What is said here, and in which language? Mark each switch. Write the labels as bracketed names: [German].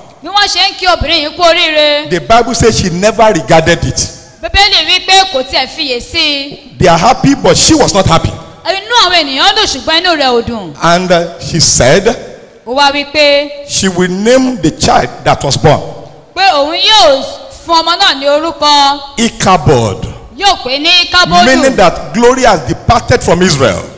[Yoruba] Bí wọ́n ṣe ń kí obìnrin yìí kú oríire. [English] The Bible says she never regarded it. [Yoruba] Bíbélì wí pé kò tiẹ̀ fiyèsí. [English] They are happy but she was not happy. [Yoruba] Inú àwọn ènìyàn dùn ṣùgbọ́n inú rẹ̀ ò dùn. [English] And she said. [Yoruba] Ó wá wí pé. [English] She will name the child that was born. [Yoruba] Pé òun yóò fún ọmọ náà ní orúkọ. [English] Ichabod. [Yoruba] Yóò pé ní Ichabodu. [English] Meaning that glory has departed from Israel.